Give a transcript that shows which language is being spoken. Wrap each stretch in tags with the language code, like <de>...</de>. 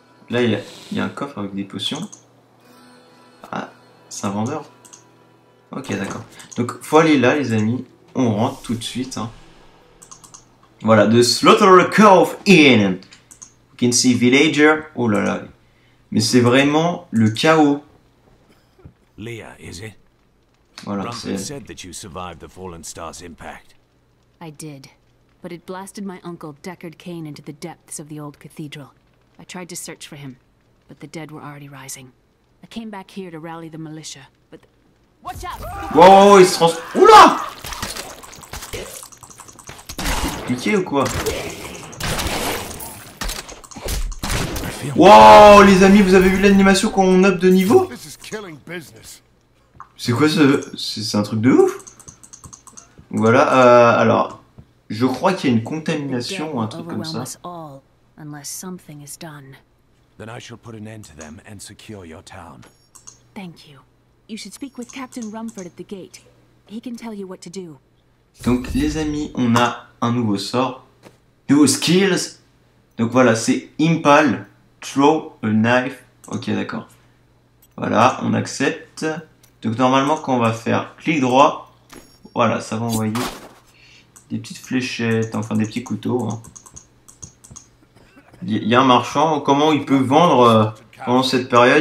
<fr>Là, il y a un coffre avec des potions. Ah, c'est un vendeur. Ok, d'accord. Donc, faut aller là, les amis. On rentre tout de suite. Hein. Voilà, The Slaughter Cove Inn.</fr> <en>You can see villager.</en> <fr>Oh là là. Mais c'est vraiment le chaos.</fr> <en>Leah, is it?</en> <fr>Voilà, c'est...</fr> <en>Rumpel said that you survived the Fallen Star's impact. I did, but it blasted my uncle Deckard Cain into the depths of the old cathedral. I tried to search for him, but the dead were already rising. I came back here to rally the militia, but watch out!</en> <fr>Wow, il se trans... Oula! Piqué ou quoi? Wow, les amis, vous avez vu l'animation quand on up de niveau? C'est quoi ce... C'est un truc de ouf? Voilà, alors... Je crois qu'il y a une contamination ou un truc comme ça.</fr> <en>All, unless something is done. Then I shall put an end to them and secure your town. Thank you. You should speak with Captain Rumford at the gate. He can tell you what to do.</en> <fr>Donc les amis, on a un nouveau sort.</fr> <en>New skills.</en> <fr>Donc voilà, c'est Impale.</fr> <en>Throw a knife.</en> <fr>Ok, d'accord. Voilà, on accepte. Donc normalement, quand on va faire clic droit, voilà, ça va envoyer des petites fléchettes, enfin des petits couteaux. Hein. Y a un marchand, comment il peut vendre pendant cette période.</fr>